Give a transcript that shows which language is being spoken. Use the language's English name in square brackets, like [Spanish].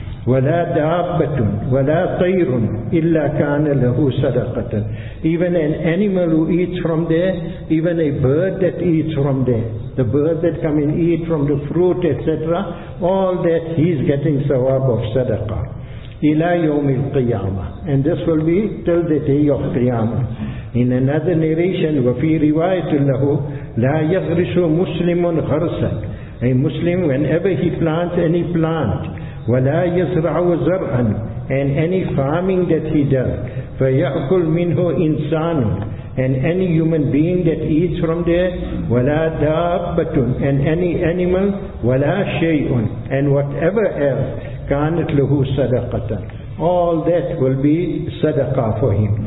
[Arabic] وَلَا دَابَّةٌ وَلَا طَيْرٌ إِلَّا كَانَ لَهُ صَدَقَةً. [English] Even an animal who eats from there, even a bird that eats from there, the bird that come and eat from the fruit, etc., all that, he's getting sawab of sadaqah. [Arabic] إِلَى يَوْمِ الْقِيَامَةِ. [English] And this will be till the day of Qiyamah. In another narration, [Arabic] وَفِي رِوَايَةٌ لَهُ لَا يَغْرِسُ مُسْلِمٌ غَرْسًا. [English] A Muslim, whenever he plants any plant, [Arabic] وَلَا يَزْرَعُ زَرْعًا, [English] and any farming that he does, [Arabic] فَيَأْكُلْ مِنْهُ إِنسَانٌ, [English] and any human being that eats from there, [Arabic] وَلَا دَابَّةٌ, [English] and any animal, [Arabic] وَلَا شَيْءٌ, [English] and whatever else, [Arabic] كَانَتْ لَهُ صَدَقَةً, [English] all that will be sadaqah for him.